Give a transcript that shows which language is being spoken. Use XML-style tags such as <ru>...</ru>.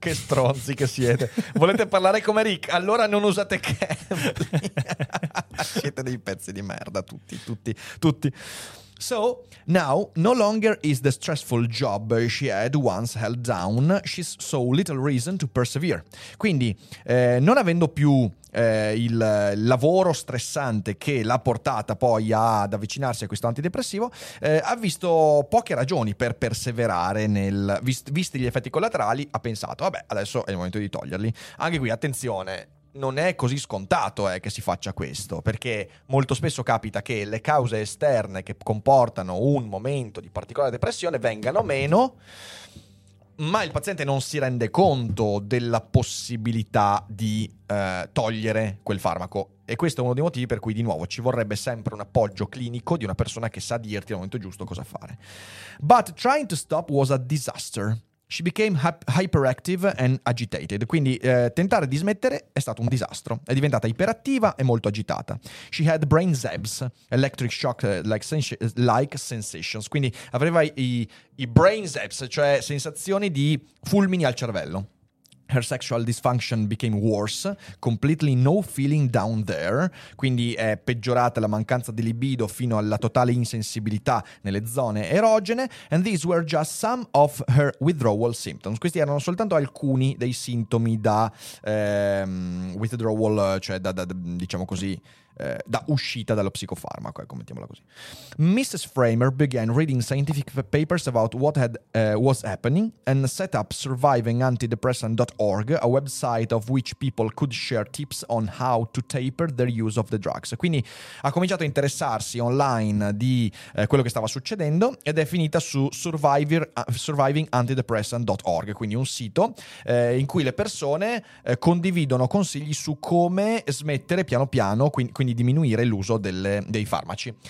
<it>Che stronzi che siete. Volete parlare come Rick? Allora non usate Cambly. Siete dei pezzi di merda, tutti.</it> <en>So, now, no longer is the stressful job she had once held down. She's so little reason to persevere.</en> <it>Quindi, non avendo più il lavoro stressante che l'ha portata poi ad avvicinarsi a questo antidepressivo, ha visto poche ragioni per perseverare visti gli effetti collaterali, ha pensato, vabbè, adesso è il momento di toglierli. Anche qui, attenzione, non è così scontato che si faccia questo, perché molto spesso capita che le cause esterne che comportano un momento di particolare depressione vengano meno, ma il paziente non si rende conto della possibilità di togliere quel farmaco. E questo è uno dei motivi per cui, di nuovo, ci vorrebbe sempre un appoggio clinico di una persona che sa dirti al momento giusto cosa fare.</it> <en>But trying to stop was a disaster. She became hyperactive and agitated.</en> <it>Quindi tentare di smettere è stato un disastro. È diventata iperattiva e molto agitata.</it> <en>She had brain zaps, electric shock like sensations.</en> <it>Quindi aveva i brain zaps, cioè sensazioni di fulmini al cervello.</it> <en>Her sexual dysfunction became worse, completely no feeling down there.</en> <it>Quindi è peggiorata la mancanza di libido fino alla totale insensibilità nelle zone erogene.</it> <en>And these were just some of her withdrawal symptoms.</en> <it>Questi erano soltanto alcuni dei sintomi da withdrawal, cioè da uscita dallo psicofarmaco, ecco, mettiamola così.</it> <en>Mrs. Framer began reading scientific papers about what had was happening and set up survivingantidepressant.org, a website of which people could share tips on how to taper their use of the drugs.</en> <it>Quindi ha cominciato a interessarsi online di quello che stava succedendo ed è finita su survivingantidepressant.org, quindi un sito in cui le persone condividono consigli su come smettere piano piano, quindi diminuire l'uso dei farmaci.</it>